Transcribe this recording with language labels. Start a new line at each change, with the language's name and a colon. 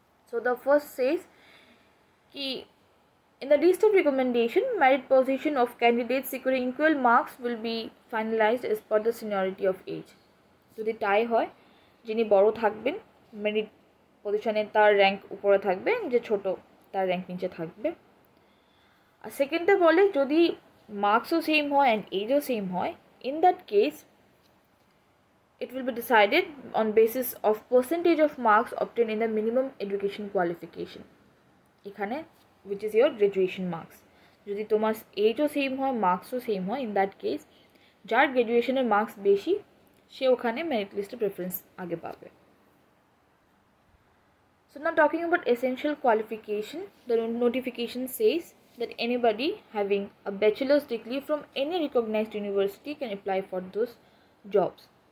English: So the first says ki in the list of recommendation, merit position of candidates securing equal marks will be finalized as per the seniority of age.
Bangla: Jodi tie hoy jini boro thakben merit position e tar rank upore thakbe, je choto তার rank নিচে থাকবে। আর সেকেন্ডটা বলে যদি মার্কসও same হয়
English: and এজও same হয়, in that case it will be decided on basis of percentage of marks obtain in the minimum education qualification,
Bangla: এখানে
English: Which is your graduation marks.
Bangla: যদি তোমার এজও সেম হয় মার্কসও সেম হয়,
English: in that case
Bangla: যার গ্রাজুয়েশনের marks বেশি সে ওখানে merit লিস্টে preference আগে পাবে।
English: So now talking about essential qualification, the notification says that anybody having a bachelor's degree from any recognized university can apply for those jobs.